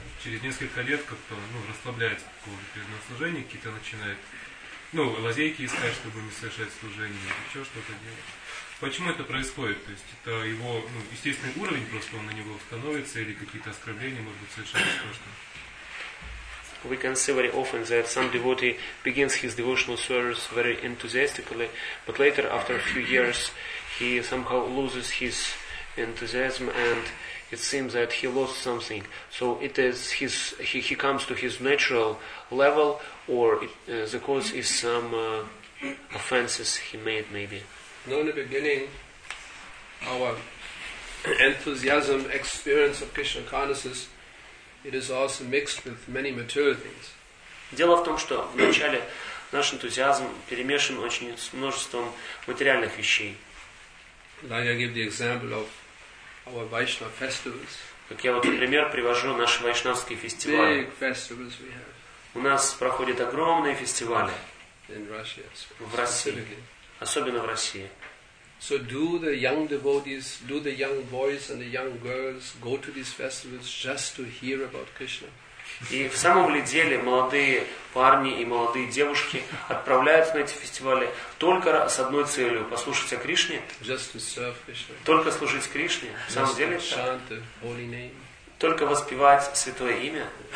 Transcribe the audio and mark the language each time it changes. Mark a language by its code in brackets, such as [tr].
[ru] Через несколько лет как-то расслабляется по поводу преданного служения, какие-то начинает лазейки искать, чтобы не совершать служение, еще что-то делать. Почему это происходит? То есть это его естественный уровень, просто он на него становится, или какие-то оскорбления, может быть, совершенно сложно. [en] We can see very often that some devotee begins his devotional service very enthusiastically, but later, after a few years, he somehow loses his enthusiasm and it seems that he lost something. So it is he comes to his natural level, or the cause is some offenses he made, maybe. No, in the beginning, our enthusiasm experience of Krishna consciousness, it is also mixed with many material things. [ru] Дело в том, что вначале наш энтузиазм перемешан очень с множеством материальных вещей. [en] Like I give the example of our Vaishnava festivals. [ru] Как я вот пример привожу наши вайшнавские фестивали. [en] Big festivals we have. [ru] У нас проходят огромные фестивали. [en] In Russia, [ru] в России. Особенно в России. [en] So do the young devotees, do the young boys and the young girls go to these festivals just to hear about Krishna? [ru] И в самом ли деле молодые парни и молодые девушки отправляются на эти фестивали только с одной целью – послушать о Кришне? Только служить Кришне? В самом деле это? Только воспевать Святое Имя?